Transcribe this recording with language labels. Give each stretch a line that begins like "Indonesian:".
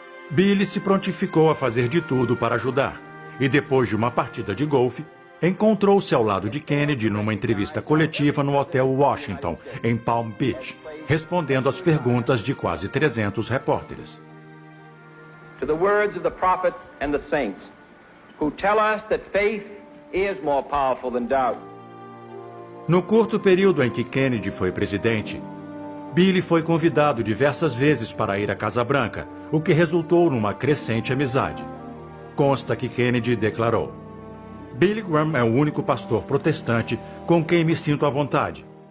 Portuguese: Billy se prontificou a fazer de tudo para ajudar, e depois de uma partida de golfe, encontrou-se ao lado de Kennedy numa entrevista coletiva no Hotel Washington, em Palm Beach, respondendo às perguntas de quase 300 repórteres.
English: To the words of the prophets and the saints, who tell us that faith is more powerful than doubt.
Portuguese: No curto período em que Kennedy foi presidente, Billy foi convidado diversas vezes para ir à Casa Branca, o que resultou numa crescente amizade. Consta que Kennedy declarou: "Billy Graham é o único pastor protestante com quem me sinto à vontade.